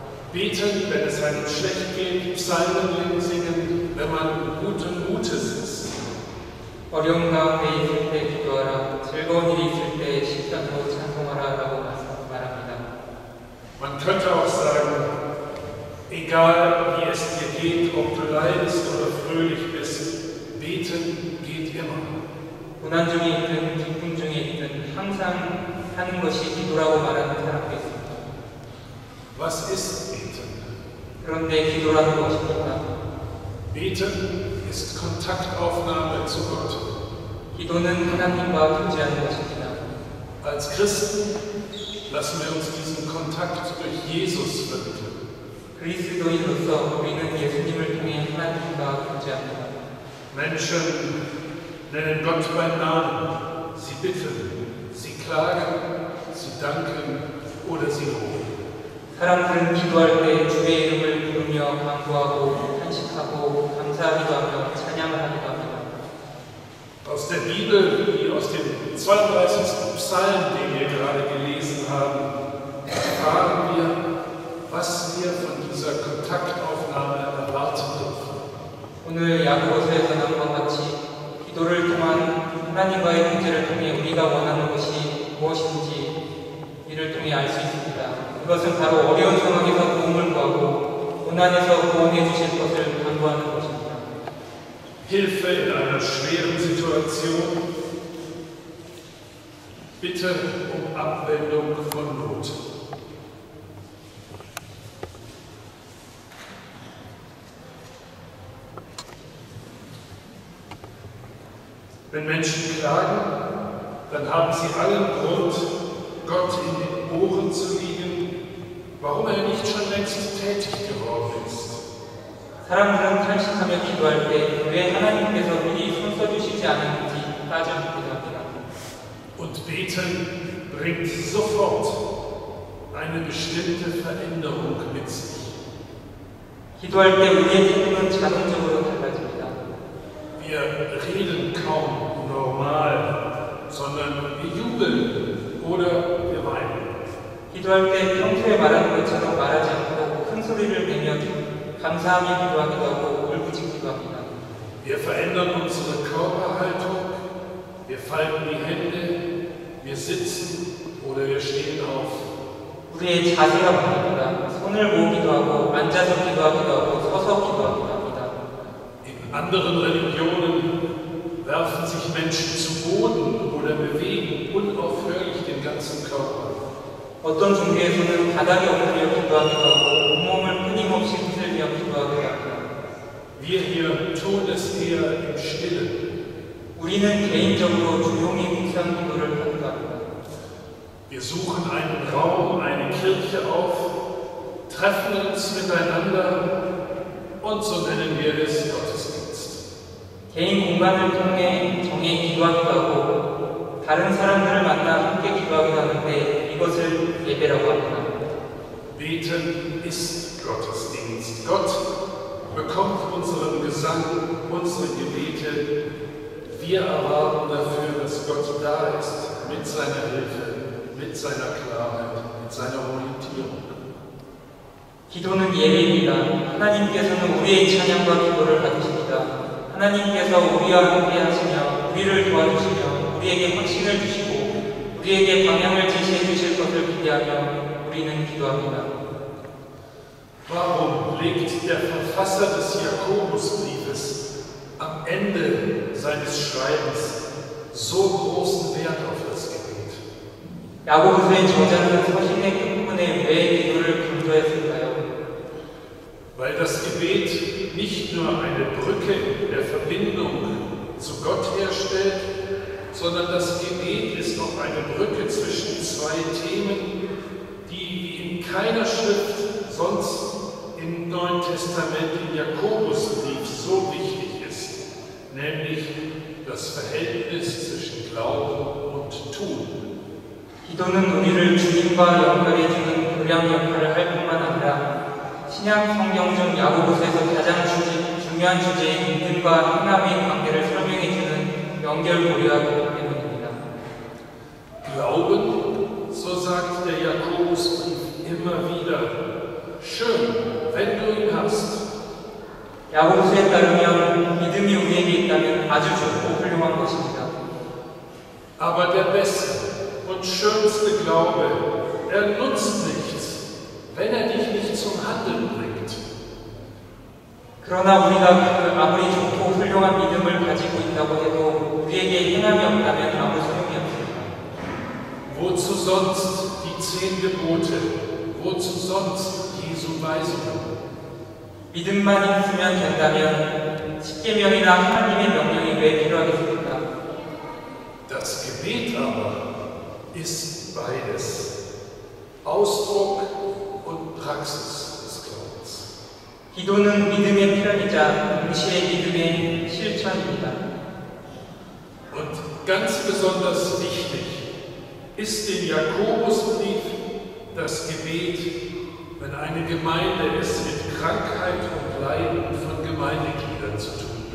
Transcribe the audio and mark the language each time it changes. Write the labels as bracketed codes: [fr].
[de] Beten, wenn es einem schlecht geht, Psalmen singen, wenn man guten Mutes ist. [ko] 어려운 가운데 있을 때 기도하라, 즐거운 일이 있을 때 식당으로 찬송하라라고 말합니다. [de] Man könnte auch sagen, egal wie es dir geht, ob du leidest oder fröhlich bist, beten geht immer. [ko] 고난 중에 있든 기쁨 중에 있든 항상 하는 것이 기도라고 말하는 사람도 있습니다. [de] Was ist beten? [ko] 그런데 기도라는 것입니까? [de] Beten ist Kontaktaufnahme zu Gott. [ko] 기도는 하나님과 교제하는 것입니다. [de] Als Christen lassen wir uns diesen Kontakt durch Jesus vermitteln. [ko] 그리스도인으로서 우리는 예수님을 통해 하나님과 교제합니다. [de] Menschen nennen Gott beim Namen. Sie bitten, sie klagen, sie danken oder sie rufen. [ko] 사람들은 기도할 때 주의 이름을 부르며 간구하고 탄식하고 감사하기도 하며 찬양을 하기도 합니다. [de] Aus der Bibel, wie aus dem 32. Psalm, den wir gerade gelesen haben, erfahren wir, was wir von dieser Kontaktaufnahme erwarten dürfen. [ko] 오늘 야고보서에서는 것 같이 기도를 통한 하나님과의 교제를 통해 우리가 원하는 것이 무엇인지 이를 통해 알 수 있습니다. 그것은 바로 어려운 상황에서 도움을 구하고 고난에서 구원해 주실 것을 간구하는 것입니다. [de] Hilfe in einer schweren Situation. Bitte um Abwendung von Not. 그 Menschen klagen, dann haben sie allen Grund, Gott in den Ohren zu liegen, warum er nicht schon längst tätig geworden ist. [ko] 사람들은 탄식하며 기도할 때 왜 하나님께서 미리 손 써주시지 않았는지 따져보기도 합니다. [de] Und beten bringt sofort eine bestimmte Veränderung mit sich. [ko] 기도할 때 우리의 기분은 자동적으로 달라집니다. [de] Wir reden kaum normal, sondern wir jubeln oder wir weinen. [ko] 기도할 때 평소에 말하는 것처럼 말하지 않고 큰 소리를 내며 감사함에 기도하기도 하고 울부짖기도 합니다. [de] Wir verändern unsere Körperhaltung, wir falten die Hände, wir sitzen oder wir stehen auf. [ko] 우리의 자세가 바뀝니다. 손을 모으기도 하고 앉아서 기도하기도 하고 서서 기도하기도 합니다. [de] In anderen Religionen werfen sich Menschen zu Boden oder bewegen unaufhörlich den ganzen Körper. [ko] 어떤 종교에서는 바닥에 엎드려 기도하기도 하고 온몸을 끊임없이 흔들며 기도하기도 합니다. [de] Wir hier tun es eher im Stillen. [ko] 우리는 개인적으로 조용히 묵상 기도를 합니다. [de] Wir suchen einen Raum, eine Kirche auf, treffen uns miteinander und so nennen wir es Gottesdienst. [ko] 개인 공간을 통해 정해 기도하기도 하고 다른 사람들을 만나 함께 기도하기도 하는데 이것을 예배라고 합니다. [de] Beten ist Gottesdienst. Gott bekommt unseren Gesang, unsere Gebete. Wir erwarten dafür, dass Gott da ist mit seiner Hilfe, mit seiner Klarheit, mit seiner Orientierung. [ko] 기도는 예배입니다. 하나님께서는 우리의 찬양과 기도를 받으십니다. 하나님께서 우리와 함께 하시며 우리를 도와주시며 우리에게 확신을 주시고 우리에게 방향을 제시해 주실 것을 기대하며 우리는 기도합니다. [de] Warum legt der Verfasser des Jakobusbriefes am Ende seines Schreibens so großen Wert auf das Gebet? [ko] 야고보서의 저자는 서신의 끝부분에 왜 기도를 강조했을까요? [de] Weil das Gebet nicht nur eine Brücke der Verbindung zu Gott herstellt, sondern das Gebet ist noch eine Brücke zwischen zwei Themen, die in keiner Schrift sonst im Neuen Testament im Jakobusbrief so wichtig ist, nämlich das Verhältnis zwischen Glauben und Tun. [ko] 기도는 우리를 주님과 연결해주는 교량 역할을 할 뿐만 아니라 신약 성경 중 야고보서에서 가장 중요한 주제인 믿음과 행함의 관계를 설명해주는 연결고리와 관계입니다. [de] Glauben, so sagt der Jakobusbrief immer wieder, schön, wenn du ihn hast. [ko] 야고보서에 따르면 믿음이 우리에게 있다면 아주 좋고 훌륭한 것입니다. [de] Aber der beste und schönste Glaube, er nutzt nichts, wenn er dich nicht zum Handeln bringt. [ko] 그러나 우리가 아무리 좋고 훌륭한 믿음을 가지고 있다고 해도 우리에게 행함이 없다면 아무 소용이 없습니다. [de] Wozu sonst die 10 Gebote? Wozu sonst Jesu Weisungen? [ko] 믿음만 있으면 된다면 십계명이나 하나님의 명령이 왜 필요하겠습니까? [de] Das Gebet aber ist beides, Ausdruck und Praxis des Glaubens. [ko] 기도는 믿음의 표현이자 동시에 믿음의 실천입니다. [de] Und ganz besonders wichtig ist im Jakobusbrief das Gebet, wenn eine Gemeinde es mit Krankheit und Leiden von Gemeindegliedern zu tun.